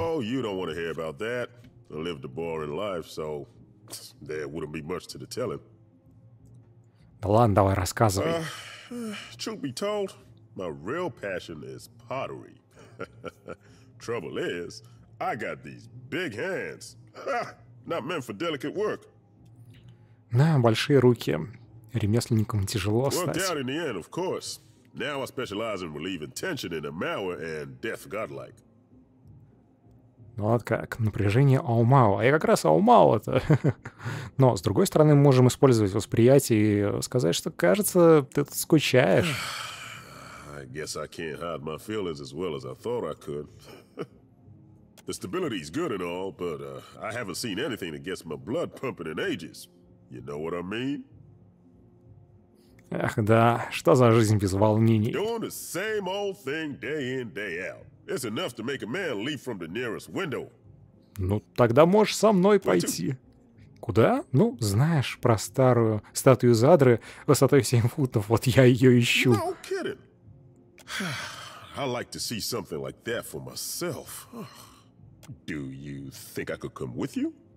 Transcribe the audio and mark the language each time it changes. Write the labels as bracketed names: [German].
[English] Oh, you don't want to hear about that. I lived a boring life, so there wouldn't be much to the telling. [Russian] Да ладно, давай рассказывай. [English] Truth be told, my real passion is pottery. Trouble is, I got these big hands. Not meant for delicate work. [Russian] На, большие руки. Ремесленникам тяжело стать. [English] Worked out in the end, of course. Now I specialize in relieving tension in a Maoa and Death Godlike. [Russian] Ну вот как, напряжение Аумао. А я как раз Аумао-то. Но, с другой стороны, мы можем использовать восприятие и сказать, что, кажется, ты тут скучаешь. [English] I guess I can't hide my feelings as well as I thought I could. The stability is good and all, but I haven't seen anything that gets my blood pumping in ages. You know what I mean? [Russian] Эх, да, что за жизнь без волнений? [English] Doing the same old thing day in, day out. It's enough to make a man leap from the nearest window. [Russian] Ну, тогда можешь со мной пойти. Куда? Ну, знаешь, про старую статую Задры высотой 7 футов, вот я ее ищу. [English] No kidding. I'd like to see something like that for myself. Do you think I could come with you?